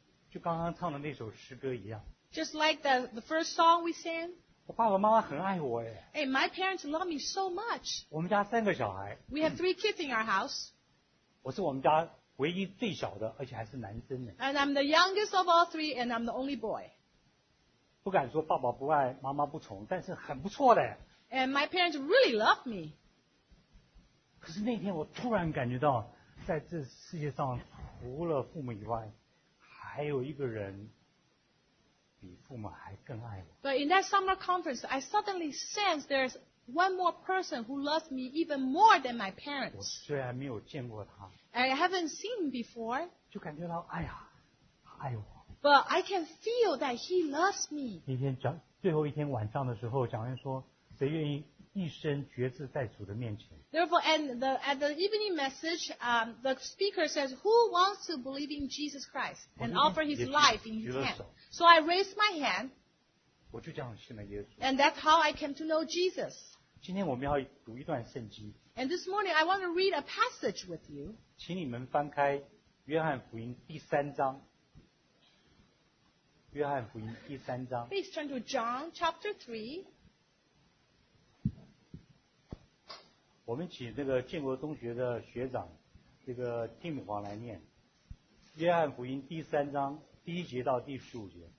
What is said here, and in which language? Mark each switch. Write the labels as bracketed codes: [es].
[zh] 就刚刚唱的那首诗歌一样。 [en] Just like the first song we sang. [zh] 我爸爸妈妈很爱我耶。 [en] Hey, my parents love me so much. [zh] 我们家三个小孩。 [en] We have three kids in our house. [zh] 我是我们家唯一最小的，而且还是男生的。 [en] And I'm the youngest of all three, and I'm the only boy. [zh] 不敢说爸爸不爱，妈妈不宠，但是很不错的。 [en] And my parents really love me. [zh] 可是那天我突然感觉到，在这世界上除了父母以外，还有一个人比父母还更爱我。 [en] But in that summer conference, I suddenly sensed there's one more person who loves me even more than my parents. [zh] 我虽然没有见过他。 [en] I haven't seen him before. [zh] 就感觉到哎呀，他爱我。 [en] But I can feel that he loves me. [zh] 那天讲最后一天晚上的时候，讲员说，谁愿意一生决志在主的面前 [en] ？Therefore, and the at the evening message, the speaker says, "Who wants to believe in Jesus Christ and offer his life in His hand?" So I raised my hand. [zh] 我就这样信了耶稣。 [en] And that's how I came to know Jesus. [zh] 今天我们要读一段圣经。 [en] And this morning I want to read a passage with you. [zh] 请你们翻开约翰福音第三章。约翰福音第三章。 [en] Please turn to John chapter 3. [zh] 我们请这个建国中学的学长这个 Tim 黄来念。约翰福音第三章第一节到第十五节。